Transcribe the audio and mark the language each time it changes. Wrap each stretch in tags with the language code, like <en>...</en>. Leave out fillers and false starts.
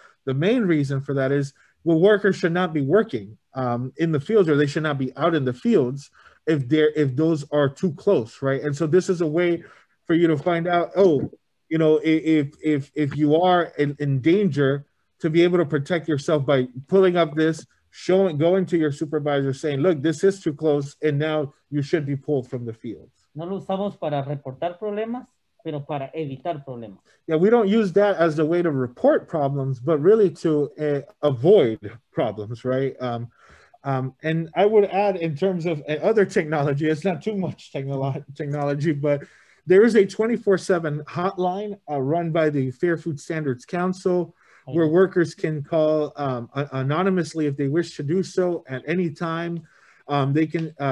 <en>The main reason for that is, well, workers should not be working in the fields, or they should not be out in the fields if those are too close, right? And so this is a way for you to find out, oh, you know, if you are in danger, to be able to protect yourself by pulling up this, showing, going to your supervisor saying, look, this is too close, and now you should be pulled from the fields.</en> <es>No lo usamos para reportar problemas, pero para evitar problemas.</es> <en>Yeah, we don't use that as a way to report problems, but really to avoid problems, right? And I would add, in terms of other technology, it's not too much technology, but there is a 24/7 hotline run by the Fair Food Standards Council, where workers can call anonymously if they wish to do so at any time. They can.</en>